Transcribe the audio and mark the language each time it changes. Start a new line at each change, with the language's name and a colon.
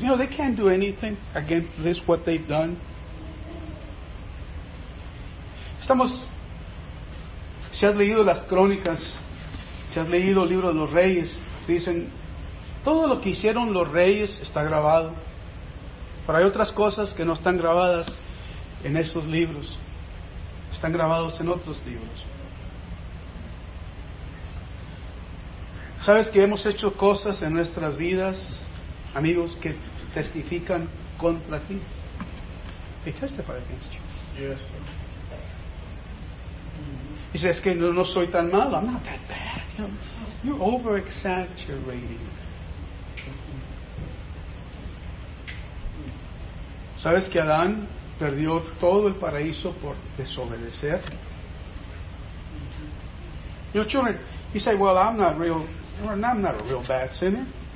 English: You know, they can't do anything against this, what they've done.
Spanish: Si has leído las crónicas, si has leído el libro de los reyes, dicen, Todo lo que hicieron los reyes está grabado. Pero hay otras cosas que no están grabadas en esos libros. Están grabados en otros libros. ¿Sabes que hemos hecho cosas en nuestras vidas, amigos, que testifican contra ti?
English: They testify against you. Yes.
Spanish: Dice, es que no soy tan malo.
English: I'm not that bad. You're over-exaggerating.
Spanish: ¿Sabes que Adán perdió todo el paraíso por desobedecer?
English: Your children, you say, well, I'm not a real bad sinner.